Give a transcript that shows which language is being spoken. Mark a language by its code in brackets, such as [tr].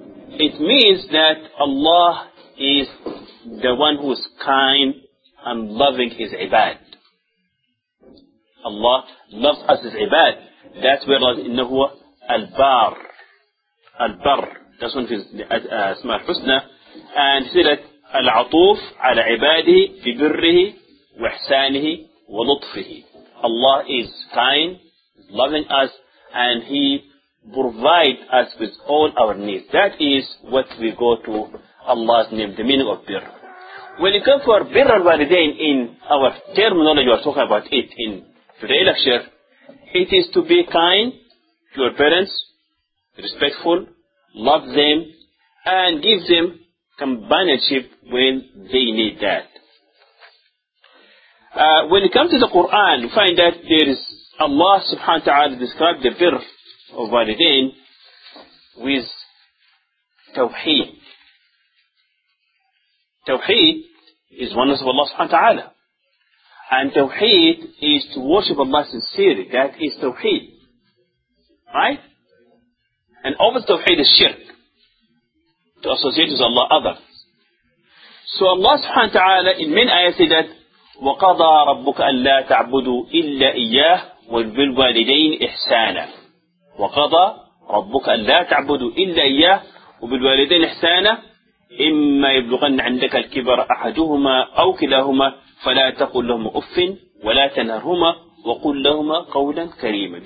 [en] It means that Allah is the one who is kind and loving His ibad. Allah loves us as ibad. That's where Allah says, [ar] إِنَّهُ الْبَرُّ [en] Al-Barr. That's one of His asma al-husna. And see that [ar] العطوف على عباده في بره وإحسانه ولطفه. [en] Allah is kind, loving us, and He provides us with all our needs. That is what we go to Allah's name, the meaning of birr. When you come for birr al-walidain in our terminology, we are talking about it in today's lecture, it is to be kind to your parents, respectful, love them, and give them companionship when they need that. When it comes to the Quran, you find that there is Allah subhanahu wa ta'ala described the birr of walidain with tawheed. Tawheed is oneness of Allah subhanahu wa ta'ala. And tawheed is to worship Allah sincerely. That is tawheed. Right? And opposite tawheed is shirk. To associate with Allah other. So Allah subhanahu wa ta'ala in many ayahs said that [ar] وَقَضَى رَبُّكَ أَلَّا تَعْبُدُوا إِلَّا إِيَّاهُ وَبِالْوَالِدَيْنِ إِحْسَانًا وَقَضَى رَبُّكَ أَلَّا تَعْبُدُوا إِلَّا إِيَّاهُ وَبِالْوَالِدَيْنِ إِحْسَانًا إِمَّا يَبْلُغَنَّ عِنْدَكَ الْكِبَرَ أَحَدُهُمَا أَوْ كِلَاهُمَا فَلَا تَقُلْ لَهُمَا أُفٍّ وَلَا تَنْهَرْهُمَا وَقُلْ لَهُمَا قَوْلًا كَرِيمًا.